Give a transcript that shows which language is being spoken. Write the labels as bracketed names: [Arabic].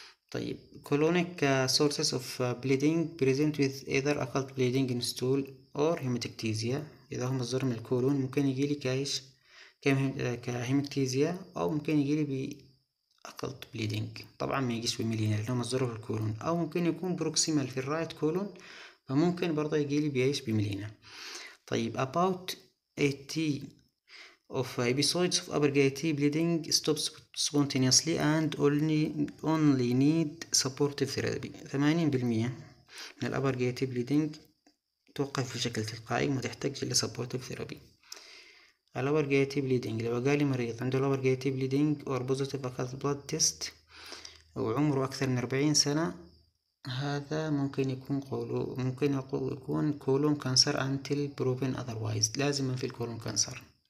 [English] طيب colonic sources of bleeding present with either occult bleeding in stool or hematochezia. [Arabic] إذا هو مصدر من الكولون ممكن يجي لي كهيماتوكيزيا أو ممكن يجي لي occult bleeding طبعا ما يجيش بميلين لانه مصدره في الكولون، او ممكن يكون بروكسيمال في الرايت كولون فممكن برضه يجي لي بيعيش بميلينا. [English] طيب about 80 of episodes of upper GIT bleeding stops spontaneously and only need supportive therapy. [Arabic] 80% من الـ upper GIT bleeding توقف بشكل تلقائي ما تحتاج إلى supportive therapy. الـ upper GIT bleeding لو جالي مريض عنده الـ upper GIT bleeding [English] or positive occult blood test [Arabic] وعمره أكثر من 40 سنة، هذا ممكن يكون قولو ممكن يكون كولون كانسر [English] until proven otherwise، [Arabic] لازم في الكولون كانسر.